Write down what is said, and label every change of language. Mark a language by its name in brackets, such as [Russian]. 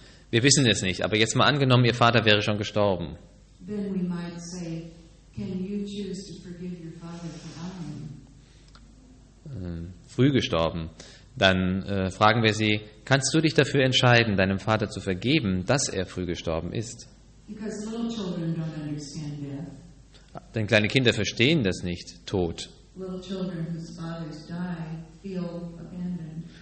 [German] Wir wissen es nicht, aber jetzt mal angenommen, ihr Vater wäre schon gestorben. [English] Then we might say, can you choose to forgive your father for me? [German] Früh gestorben. Dann fragen wir sie, kannst du dich dafür entscheiden, deinem Vater zu vergeben, dass er früh gestorben ist? [English] Because little children don't understand death. [German] Denn kleine Kinder verstehen das nicht, Tod. [English] Little children whose fathers die feel abandoned.